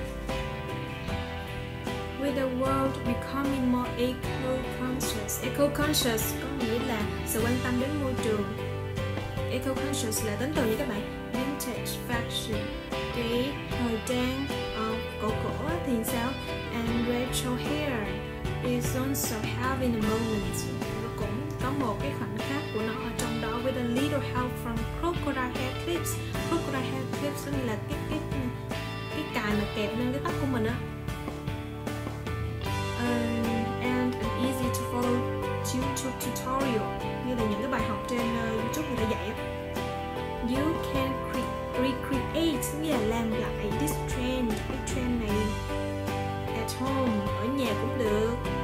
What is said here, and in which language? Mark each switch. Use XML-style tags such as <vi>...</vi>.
<en>through the world becoming more eco-conscious.</en> <vi>Eco-conscious có nghĩa là sự quan tâm đến môi trường. Eco-conscious là tính từ như các bạn. Vintage fashion, cái thời trang cổ cổ thì sao?</vi> <en>And Rachel here is also having a moment.</en> <vi>Nó cũng có một cái khoảnh khắc của nó ở trong đó.</vi> <en>With a little help from crocodile hair clips.</en> <vi>Crocodile hair clips là cái cài mà kẹp lên cái tóc của mình á.</vi> <en>And an easy to follow YouTube tutorial,</en> <vi>như là những cái bài học trên YouTube người ta dạy á.</vi> <en>You can recreate,</en> <vi>nghĩa là làm lại</vi> <en>this trend,</en> <vi>cái trend này</vi> <en>at home,</en> <vi>ở nhà cũng được.</vi>